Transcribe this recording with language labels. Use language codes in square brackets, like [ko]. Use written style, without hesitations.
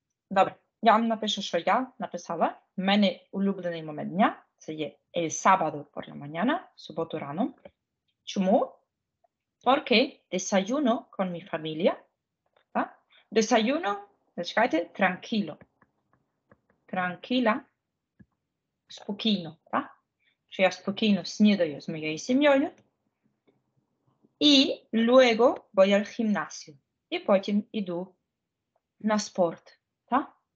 [uk] Добре, я вам напишу, що я написала. У мене улюблений момент дня – це є [es] «El sábado por la mañana», [uk] суботу рано. Чому? [es] Porque desayuno con mi familia. [uk] Да? [es] Desayuno, [uk] зачекайте, [es] tranquilo. Tranquila, [uk] спокійно. Да? Що я спокійно снідаю з моєю сім'єю. І [es] luego voy al gimnasio. [uk] І потім іду на спорт. Да?